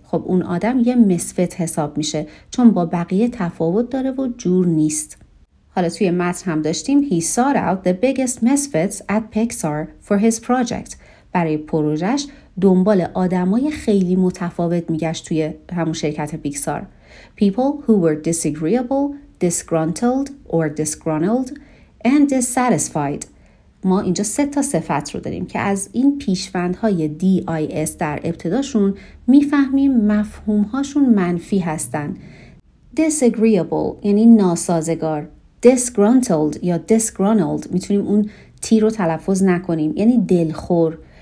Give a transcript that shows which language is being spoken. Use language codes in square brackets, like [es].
[fa] خب اون آدم یه مسفت حساب میشه چون با بقیه تفاوت داره و جور نیست. حالا توی متن هم داشتیم [en] He sought out the biggest misfits at Pixar for his project. [fa] برای پروژش دنبال آدمای خیلی متفاوت میگشت توی همون شرکت پیکسار. [en] People who were disagreeable, disgruntled or disgruntled and dissatisfied. [fa] ما اینجا سه تا صفت رو داریم که از این پیشوندهای DIS در ابتداشون میفهمیم مفهومهاشون منفی هستن. Disagreeable یعنی ناسازگار. Disgruntled یا disgruntled میتونیم اون تی رو تلفظ نکنیم یعنی دلخور.